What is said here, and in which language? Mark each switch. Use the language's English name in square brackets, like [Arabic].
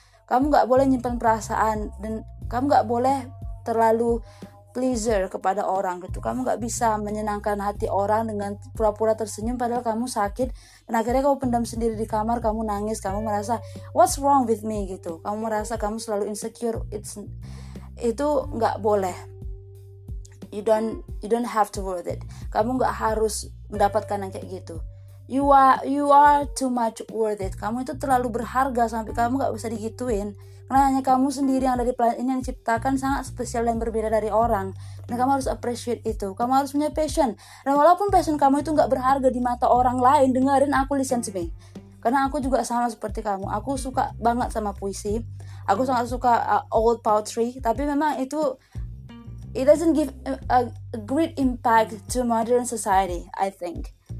[Indonesian] Kamu gak boleh nyimpan perasaan, dan kamu gak boleh terlalu pleaser kepada orang gitu. Kamu gak bisa menyenangkan hati orang dengan pura-pura tersenyum padahal kamu sakit, dan akhirnya kamu pendam sendiri di kamar, kamu nangis, kamu merasa [English] what's wrong with me [Indonesian] gitu. Kamu merasa kamu selalu insecure. Itu gak boleh. [English] You don't have to worth it. [Indonesian] Kamu gak harus mendapatkan yang kayak gitu. [English] You are too much worth it. [Indonesian] Kamu itu terlalu berharga sampai kamu gak bisa digituin. Karena hanya kamu sendiri yang ada di planet ini yang diciptakan sangat spesial dan berbeda dari orang. Dan kamu harus appreciate itu. Kamu harus punya passion. Dan walaupun passion kamu itu gak berharga di mata orang lain, dengerin aku, [English] listen to me. [Indonesian] Karena aku juga sama seperti kamu. Aku suka banget sama puisi. Aku sangat suka old poetry. Tapi memang itu, [English] it doesn't give a great impact to modern society, I think.